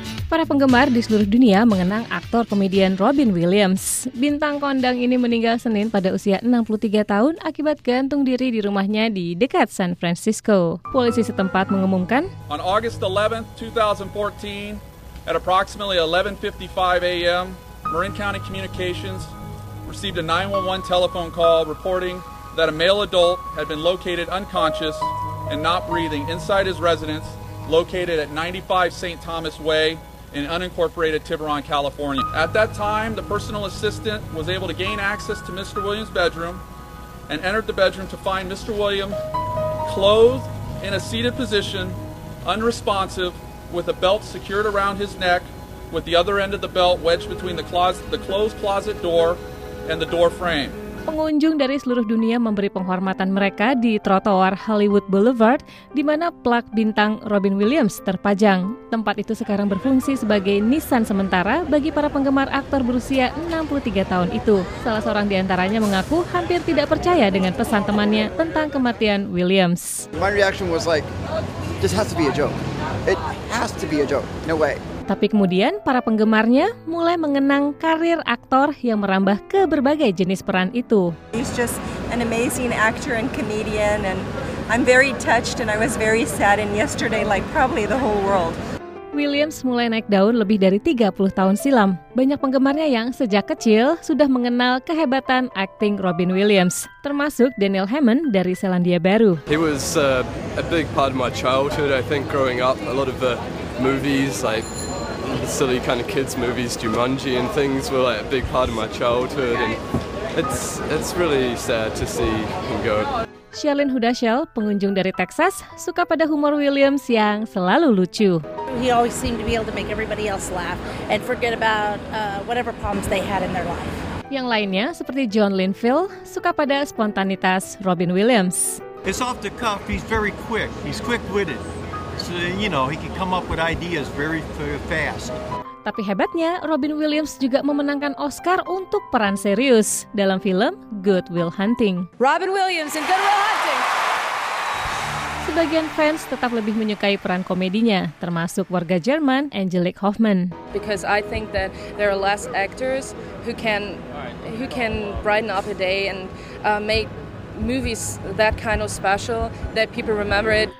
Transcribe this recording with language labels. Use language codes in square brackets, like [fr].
[id] Para penggemar di seluruh dunia mengenang aktor komedian Robin Williams. Bintang kondang ini meninggal Senin pada usia 63 tahun akibat gantung diri di rumahnya di dekat San Francisco. Polisi setempat mengumumkan, [en] On August 11, 2014, At approximately 11:55 a.m., Marin County Communications received a 911 telephone call reporting that a male adult had been located unconscious and not breathing inside his residence located at 95 St. Thomas Way in unincorporated Tiburon, California. At that time, the personal assistant was able to gain access to Mr. Williams' bedroom and entered the bedroom to find Mr. Williams clothed in a seated position, unresponsive, with a belt secured around his neck, with the other end of the belt wedged between the closed closet door and the door frame. [id] Pengunjung dari seluruh dunia memberi penghormatan mereka di trotoar Hollywood Boulevard, di mana plak bintang Robin Williams terpajang. Tempat itu sekarang berfungsi sebagai nisan sementara bagi para penggemar aktor berusia 63 tahun itu. Salah seorang di antaranya mengaku hampir tidak percaya dengan pesan temannya tentang kematian Williams. [en] My reaction was like, this has to be a joke. It has to be a joke. No way. [id] Tapi kemudian para penggemarnya mulai mengenang karir aktor yang merambah ke berbagai jenis peran itu. [en] He's just an amazing actor and comedian, and I'm very touched and I was very sad and yesterday like probably the whole world. [id] Williams mulai naik daun lebih dari 30 tahun silam. Banyak penggemarnya yang sejak kecil sudah mengenal kehebatan akting Robin Williams, termasuk Daniel Hammond dari Selandia Baru. [en] He was a big part of my childhood, I think, growing up. A lot of the movies, like the silly kind of kids movies, Jumanji and things, were like a big part of my childhood, and it's really sad to see him go. [id] Shailene Hudashell, pengunjung dari Texas, suka pada humor Williams yang selalu lucu. [en] He always seemed to be able to make everybody else laugh and forget about whatever problems they had in their life. [id] Yang lainnya, seperti John Linville, suka pada spontanitas Robin Williams. [en] He's off the cuff, he's very quick, he's quick-witted. So, you know, he can come up with ideas very fast. [id] Tapi hebatnya, Robin Williams juga memenangkan Oscar untuk peran serius dalam film Good Will Hunting. [en] Robin Williams in Good Will Hunting. [id] Sebagian fans tetap lebih menyukai peran komedinya, termasuk warga Jerman Angelique Hoffman. [en] Because I think that there are less actors who can brighten up a day and make movies that kind of special that people remember it.